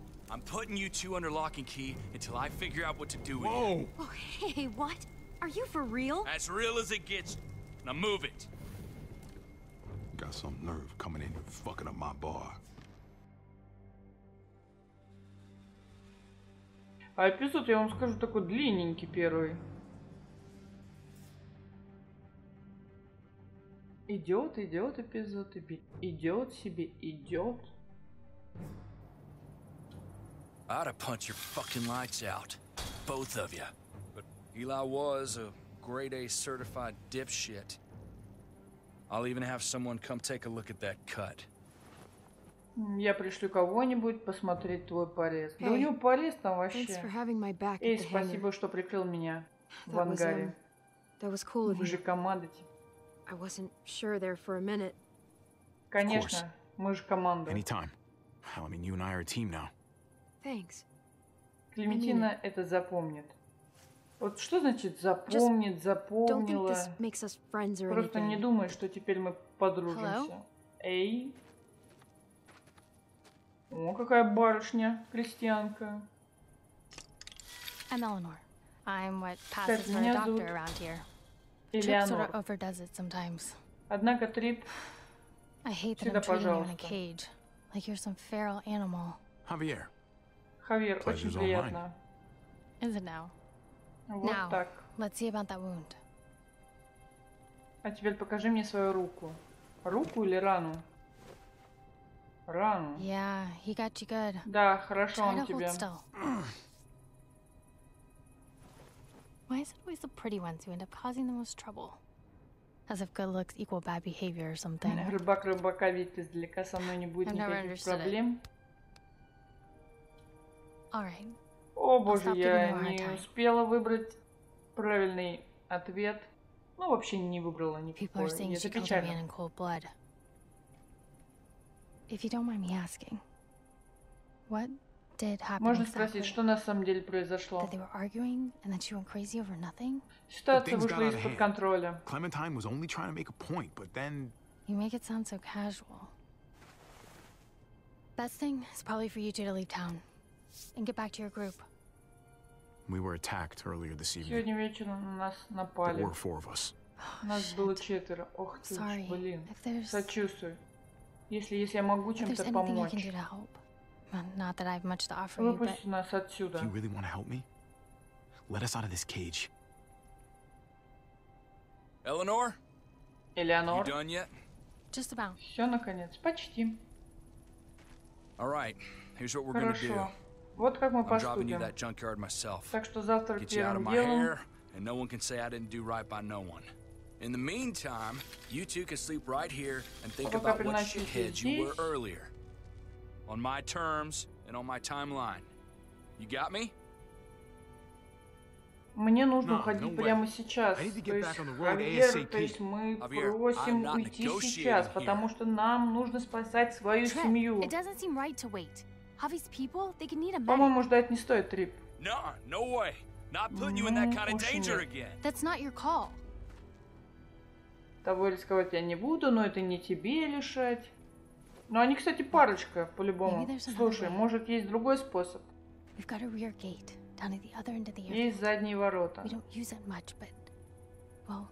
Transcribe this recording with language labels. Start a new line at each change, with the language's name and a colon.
English: I'm putting you two under lock and key until I figure out what to do with you. Okay, what? Are you for real? As real as it gets. Now move it. Got some nerve coming in and fucking up my bar.
Russian: А эпизод, я вам скажу, такой длинненький первый. Идет эпизод, идет себе, идет.
English: I'd have punched your fucking lights out, both of you. But Eli was a grade A certified dipshit. I'll even have someone come take a look at that cut.
Russian: Я пришлю кого-нибудь посмотреть твой порез. Hey, да у него порез там вообще. Эй, спасибо, что прикрыл меня в ангаре.
English: Cool.
Russian: Вы же команда.
English: I wasn't sure there for a minute.
Russian: Конечно, мы же команда.
English: Anytime. Well, I mean, you and I are a team now. Thanks.
Russian: Клементина это запомнит. Вот что значит запомнит, запомнила? Просто не думай, что теперь мы подружимся. Эй? О, какая барышня, крестьянка.
English: I'm Eleanor. I'm what passes for a doctor around here. Eleanor. Trip sort of overdoes it sometimes.
Russian: Однако Трип.
English: I hate that I'm treating you in a cage, like you're some feral animal. Javier.
Russian: Javier, очень приятно.
English: Is it now?
Russian: Вот так.
English: Let's see about that wound.
Russian: А теперь покажи мне свою руку. Руку или рану? Рану.
English: Yeah, he got you good.
Russian: Да, хорошо он тебе.
English: Why is it always the pretty ones who end up causing the most trouble? As if good looks equal bad behavior or something.
Russian: Рыбак рыбака видит издалека, со мной не будет никаких проблем.
English: All right.
Russian: О боже, я не успела выбрать правильный ответ. Ну, вообще не выбрала никакой.
English: People are saying she killed a man in cold blood. If you don't mind me asking, what did happen?
Russian: Можно спросить, что на самом деле произошло?
English: That they were arguing and that she went crazy over nothing.
Russian: Ситуация вышла из-под контроля.
English: Clementine was only trying to make a point, but then. You make it sound so casual. Best thing is probably for you two to leave town and get back to your group. We were attacked earlier this evening.
Russian: Сегодня вечером на нас напали.
English: There were four of us.
Russian: Нас было четверо. Ох ты,
English: sorry,
Russian: блин.
English: If there's...
Russian: Сочувствую. Если я могу чем-то помочь.
English: Not that I have much to offer you,
Russian: выпусти нас отсюда.
English: Do you really want to help me? Let us out of this cage. Eleanor? Eleanor? You done yet? Just about.
Russian: Все, наконец, почти.
English: All right. Here's what we're going to do.
Russian: Вот как мы поступим.
English: I'm dropping you that junkyard myself.
Russian: Так что завтра
English: get you out of my hair, and no one can say I didn't do right by no one. In the meantime, you two can sleep right here and think about what shitheads you were earlier. On my terms and on my timeline. You got me?
Russian: Мне нужно уходить прямо сейчас. Javier, то есть мы просим уйти сейчас, потому что нам нужно спасать свою семью.
English: It doesn't seem right to wait. Javi's people, they can need a man.
Russian: По-моему, ждать не стоит, Трип.
English: No, no way. Not putting you in that kind of danger again. That's not your call.
Russian: Того рисковать я не буду, но это не тебе лишать. Но они, кстати, парочка, по-любому. Слушай, может, есть другой способ. Есть задние ворота.
English: Much, but... well,